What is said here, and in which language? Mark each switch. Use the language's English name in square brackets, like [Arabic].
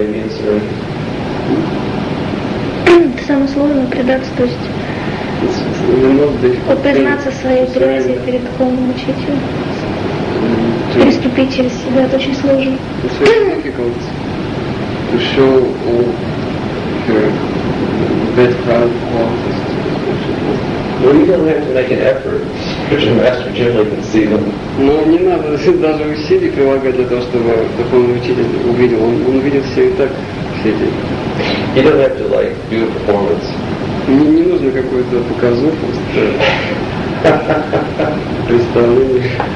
[Russian] Это самое сложное — предаться, то есть... признаться своей грязи перед духовным учителем. Переступить через себя, это очень сложно. [English] It's very difficult to show all your bad karma qualities. Well, you don't have to make an effort, because your master generally can see them. [Russian] Но не надо даже усилий прилагать для того, чтобы духовный учитель увидел. Он видит все и так, все эти. [English] You don't have to, like, do a performance. [Russian] Не нужно какую-то показуху, представление.